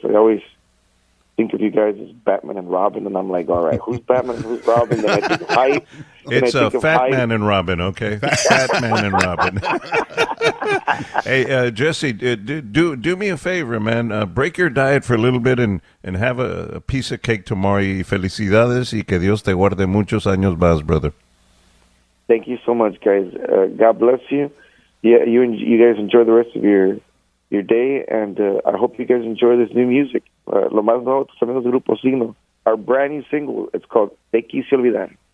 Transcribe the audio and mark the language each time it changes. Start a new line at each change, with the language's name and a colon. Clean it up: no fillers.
English: I always think of you guys as Batman and Robin, and I'm like, all right, who's Batman? Who's Robin? And I think of height. It's a fat man and Robin, okay? Fat man and Robin. Hey, Jesse, do me a favor, man. Break your diet for a little bit and have a piece of cake tomorrow.
Spanish: Felicidades y que Dios te guarde muchos años más, brother.
English: Thank you so much, guys. God bless you. Yeah, you guys enjoy the rest of your day, and I hope you guys enjoy this new music.
Spanish: Lo más nuevo, tus amigos del grupo Siggno.
English: Our brand new single, it's called Te Quise Olvidar.